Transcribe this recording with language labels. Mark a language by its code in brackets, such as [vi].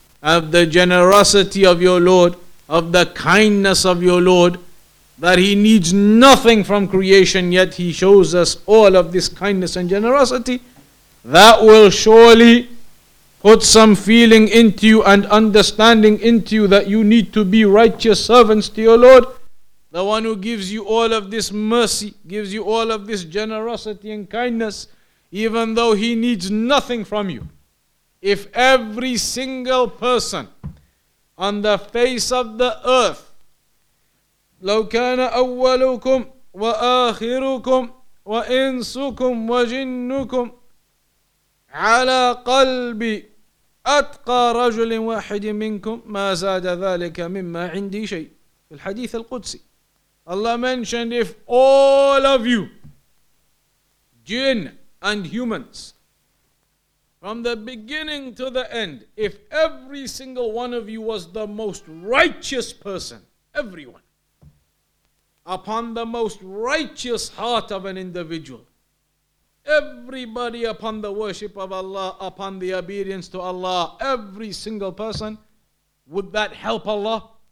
[en] of the generosity of your Lord, of the kindness of your Lord, that he needs nothing from creation, yet he shows us all of this kindness and generosity, that will surely put some feeling into you and understanding into you that you need to be righteous servants to your Lord, the one who gives you all of this mercy, gives you all of this generosity and kindness, even though he needs nothing from you. If every single person on the face of the earth, [ar] لو كان أولكم وآخركم وإنسكم وجنكم على قلب أتقى رجل واحد منكم ما زاد ذلك مما عندي شيء. في الحديث القدسي [en] Allah mentioned, if all of you, jinn and humans, from the beginning to the end, if every single one of you was the most righteous person, everyone, upon the most righteous heart of an individual, everybody upon the worship of Allah, upon the obedience to Allah, every single person, would that help Allah?